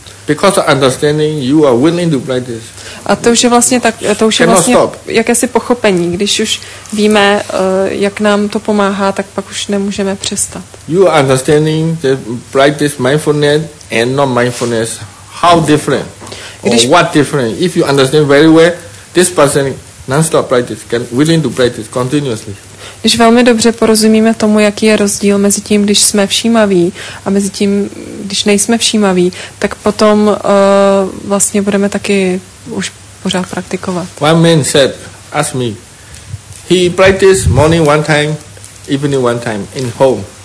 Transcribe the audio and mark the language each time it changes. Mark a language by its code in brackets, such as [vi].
[en] Because of understanding, you are willing to practice. [cs] A to už je vlastně tak, to už je vlastně jakési pochopení. Když už víme, jak nám to pomáhá, tak pak už nemůžeme přestat. [en] You are understanding the practice mindfulness and not mindfulness. How different? Or what different? If you understand very well, this person non-stop practice, can willing to practice continuously. [cs] Když velmi dobře porozumíme tomu, jaký je rozdíl mezi tím, když jsme všímaví a mezi tím, když nejsme všímaví, tak potom vlastně budeme taky už pořád praktikovat. [en] One man said, ask me, he practiced morning one time, evening one time in home.